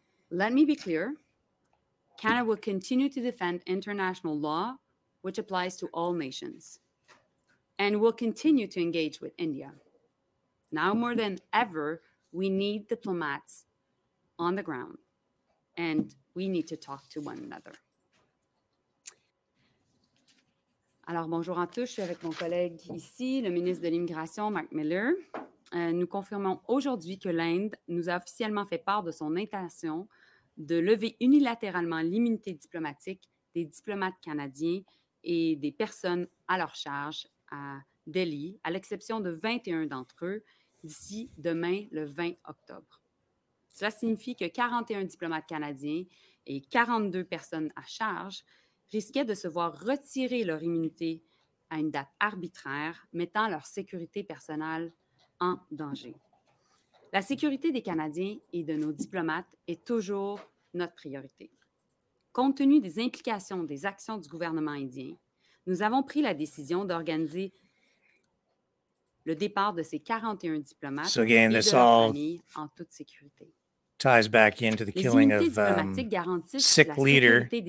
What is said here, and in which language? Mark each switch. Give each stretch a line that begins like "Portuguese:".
English: Let me be clear, Canada will continue to defend international law, which applies to all nations, and will continue to engage with India. Now more than ever, we need diplomats on the ground, and we need to talk to one another.
French: Alors, bonjour à tous. Je suis avec mon collègue ici, le ministre de l'Immigration, Mark Miller. Nous confirmons aujourd'hui que l'Inde nous a officiellement fait part de son intention de lever unilatéralement l'immunité diplomatique des diplomates canadiens et des personnes à leur charge à Delhi, à l'exception de 21 d'entre eux, d'ici demain, le 20 octobre. Cela signifie que 41 diplomates canadiens et 42 personnes à charge risquaient de se voir retirer leur immunité à une date arbitraire, mettant leur sécurité personnelle en danger. La sécurité des Canadiens et de nos diplomates est toujours notre priorité. Compte tenu des implications des actions du gouvernement indien, nous avons pris la décision d'organiser le départ de ces 41 diplomates et de leur famille en toute sécurité.
English: Ties back into the killing of sick leader.